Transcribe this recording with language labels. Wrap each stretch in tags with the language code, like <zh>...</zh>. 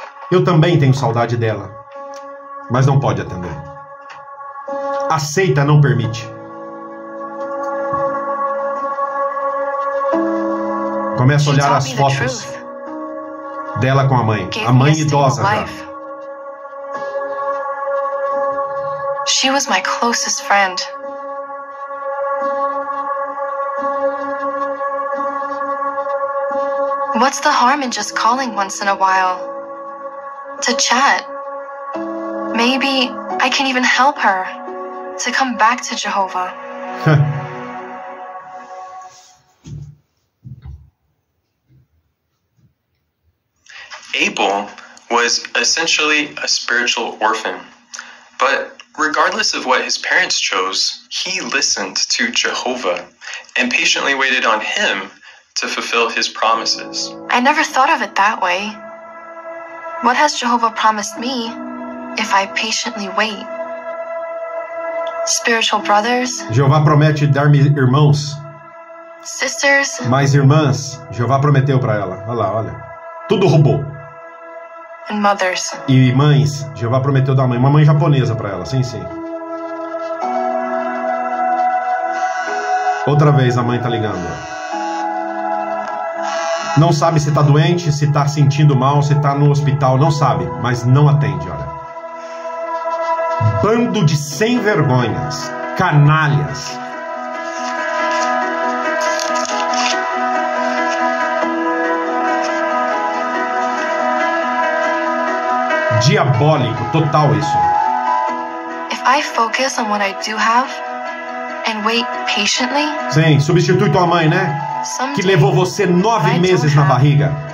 <pt>Eu também tenho saudade dela. Mas não pode atender. Aceita, não permite. Começa a olhar as fotos dela com a mãe idosa.</pt> <en>She was my closest friend. What's the harm in just calling once in a while to chat? Maybe I can even help her to come back to Jehovah. Abel was essentially a spiritual orphan, but regardless of what his parents chose, he listened to Jehovah and patiently waited on him to fulfill his promises. I never thought of it that way. What has Jehovah promised me if I patiently wait? Spiritual brothers?</en> <pt>Jeová promete dar-me irmãos.</pt> <en>Sisters?</en> <pt>Mais irmãs. Jeová prometeu para ela. Olha lá, olha. Tudo roubou.</pt> <en>And mothers.</en> <pt>E mães, Jeová prometeu dar mãe, uma mãe japonesa para ela, sim. Outra vez a mãe tá ligando. Não sabe se tá doente, se tá sentindo mal, se tá no hospital, não sabe, mas não atende, olha. Bando de sem vergonhas, canalhas. Diabólico, total isso.</pt> <en>If I focus on what I do have, and wait patiently?</en> <pt>Sim, substitui tua mãe, né? Que levou você 9 meses na barriga.</pt>